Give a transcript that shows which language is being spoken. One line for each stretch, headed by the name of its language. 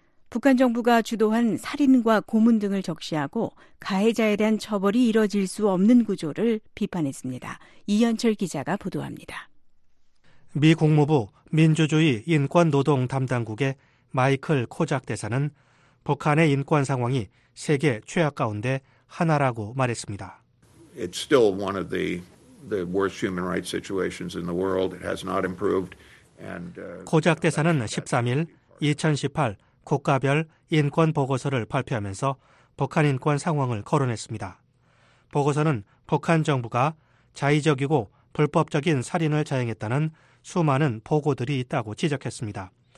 Korean: 북한 정부가 주도한 살인과 고문 등을 적시하고 가해자에 대한 처벌이 이뤄질 수 없는 구조를 비판했습니다. 이현철 기자가 보도합니다. 미 국무부 민주주의 인권노동 담당국의 마이클 코작 대사는 북한의 인권 상황이 세계 최악 가운데 하나라고 말했습니다.
English: It's still one of the worst human rights situations in the world. It has not improved. And
Korean: 코작 대사는 13일 2018 국가별 인권 보고서를 발표하면서 북한 인권 상황을 거론했습니다. 보고서는 북한 정부가 자의적이고 불법적인 살인을 자행했다는 수많은 보고들이 있다고 지적했습니다.